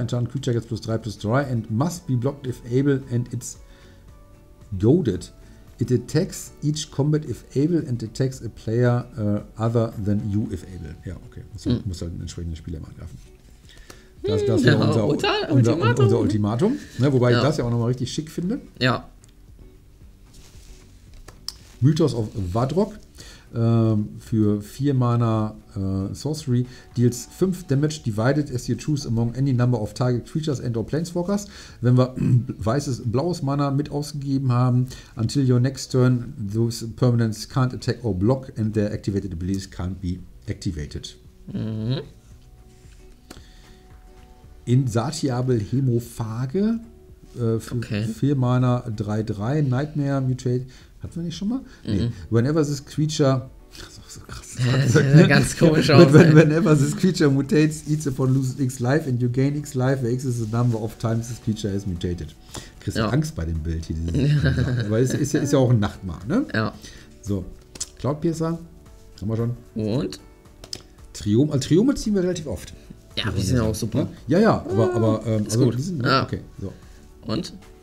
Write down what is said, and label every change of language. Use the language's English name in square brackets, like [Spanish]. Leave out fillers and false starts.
[English] Enchant Creature gets +3/+3 and must be blocked if able and it's goaded. It attacks each combat if able and attacks a player other than you if able. [German] Ja, okay. Also, muss halt einen entsprechenden Spieler mal angreifen. Das ist ja unser Ultimatum. Ne, wobei ich das ja auch nochmal richtig schick finde. Ja. Mythos of Vadrok. Für 4 Mana [English] Sorcery, deals 5 Damage divided as you choose among any number of target creatures and or planeswalkers. [German] Wenn wir weißes, blaues Mana mit ausgegeben haben, [English] until your next turn, those permanents can't attack or block and their activated abilities can't be activated. Mhm. [German] Insatiable Hemophage für 4 Mana 3/3 Nightmare Mutate. Hatten wir nicht schon mal? Nee. [English] Whenever this creature... [German] So krass. Das ganz komisch aus. [English] Whenever this creature mutates, each upon loses X life and you gain X life, where X is the number of times this creature has mutated. [German] Kriegst du Angst bei dem Bild hier. Aber es ist ja auch ein Nachtmar, ne? Ja. So, Cloudpiercer, haben wir schon. Und? Triome, also Triome ziehen wir relativ oft. Ja, die sind ja auch super. Ja, ja, aber ist also, gut. Die sind, ne? Okay, so. Und?